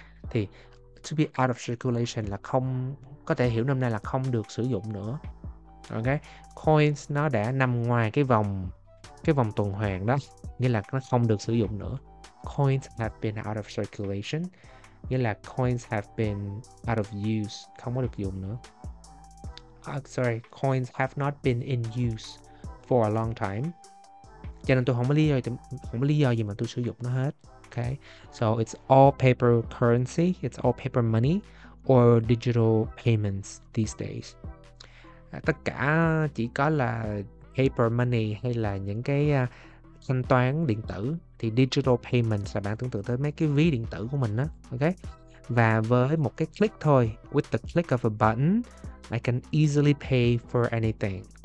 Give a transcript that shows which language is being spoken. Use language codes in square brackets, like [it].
[vi] Thì [en] to be out of circulation [vi] là không, có thể hiểu năm nay là không được sử dụng nữa. Ok, coins nó đã nằm ngoài cái vòng tuần hoàn đó, nghĩa là nó không được sử dụng nữa. [en] Coins have been out of circulation, [vi] nghĩa là [en] coins have been out of use, [vi] không có được dùng nữa. [en] Sorry, coins have not been in use for a long time. [vi] Cho nên tôi không có lý do gì mà tôi sử dụng nó hết. [en] Okay. So it's all paper currency, it's all paper money or digital payments these days. [vi] Tất cả chỉ có là [en] paper money [vi] hay là những cái thanh toán điện tử. Thì [en] digital payments [vi] là bạn tưởng tượng tới mấy cái ví điện tử của mình đó. Okay. Và với một cái click thôi, [en] with the click of a button, I can easily pay for anything.